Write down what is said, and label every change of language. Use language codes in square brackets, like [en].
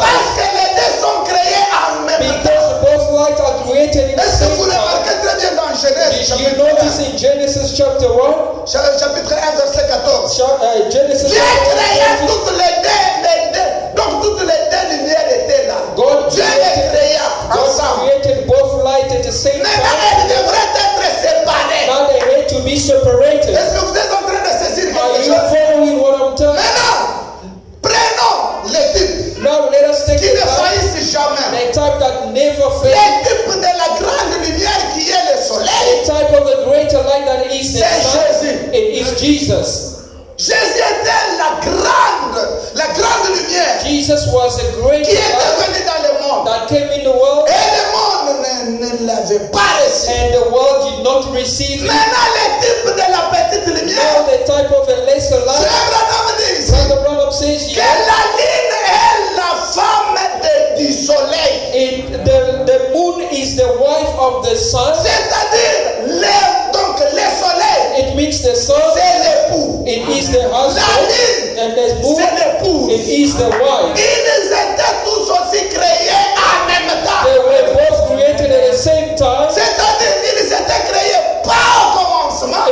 [fr] Parce que les deux sont créés en même temps. [en] Because both lights are created in the same time. Did you notice in Genesis chapter 1? [fr] Chapitre 1, verset 14. [en] Genesis [fr] Dieu créa toutes les deux. Donc toutes les deux lumières étaient là. [en] God [fr] Dieu [en] created, [fr] les créa ensemble. [en] God created both light at the same [fr] mais [en] time. [fr] Mais elles devraient être séparées. [en] Now they had to be separated. [fr] Est-ce que vous êtes en train de saisir quelque chose? [en] Are you following what I'm telling? [fr] Maintenant, prenons les types. [en] Now let us take [fr] qui ne faillissent jamais. [en] The type that never fails. [fr] Les types de la grande lumière qui est le soleil. [en] The type of the greater light that is the sun. Jésus. It is Jesus. [fr] Jésus était la grande lumière. [en] Jesus was a great [fr] light. Qui était venu dans le monde. [en] That came in the world. [fr] Et le monde ne l'avait pas reçu. [en] And the world did not receive [fr] it. Maintenant les types de la petite lumière. [en] Now the type of a lesser light. [fr] C'est un homme dit. [en] When the Bible says yes. [fr] Que la lune est la femme du soleil. [en] The moon is the wife of the sun. [fr] C'est-à-dire le soleil. [en] It means the sun. [fr] C'est l'époux. [en] It is the husband. [fr] La lune. [en] And the moon. [fr] C'est l'épouse. [en] It is the wife. [fr] Ils étaient tous aussi créés en même temps. [en] They were both created at the same time. [fr] C'est-à-dire ils étaient créés pas au commencement.